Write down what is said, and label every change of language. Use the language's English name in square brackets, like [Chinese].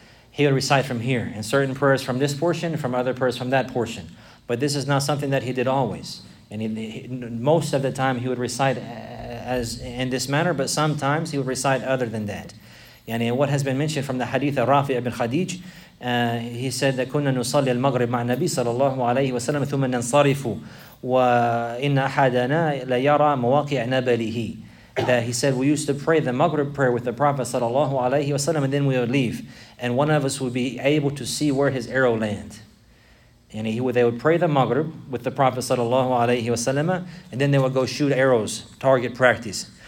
[English] He would recite from here. And certain prayers from this portion, from other prayers from that portion. But this is not something that he did always. And most of the time he would recite as in this manner, but sometimes he would recite other than that. And what has been mentioned from the hadith of Rafi ibn Khadij, he said that [Arabic] كُنَّا نُصَلِّي الْمَغْرِبِ مَعَ النَّبِي صَلَى اللَّهُ عَلَيْهِ وَسَلَّمَ ثُمَّ نَنْصَرِفُ وَإِنَّ أَحَدَنَا لَيَرَى مَوَاقِعَ نَبَلِهِ. [English] That he said, we used to pray the Maghrib prayer with the Prophet sallallahu alayhi wasallam, and then we would leave. And one of us would be able to see where his arrow land. And they would pray the Maghrib with the Prophet sallallahu alayhi wasallam, and then they would go shoot arrows, target practice.